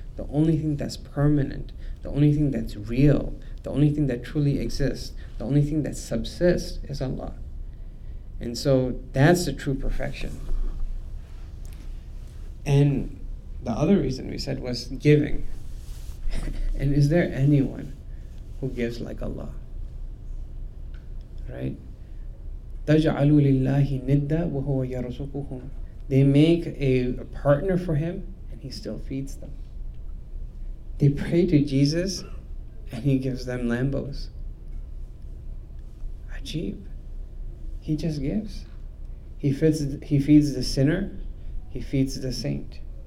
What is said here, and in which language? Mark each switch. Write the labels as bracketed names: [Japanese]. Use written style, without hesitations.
[English] The only thing that's permanent, the only thing that's real, the only thing that truly exists, the only thing that subsists is Allah. And so that's the true perfection. And the other reason we said was giving. And is there anyone who gives like Allah? Right? [Arabic] تَجْعَلُوا لِلَّهِ نِدَّ وَهُوَ يَرْزُقُهُمْ. [English] They make a partner for him, and he still feeds them. They pray to Jesus, and he gives them Lambos. Ajib. He just gives. He feeds the sinner, he feeds the saint.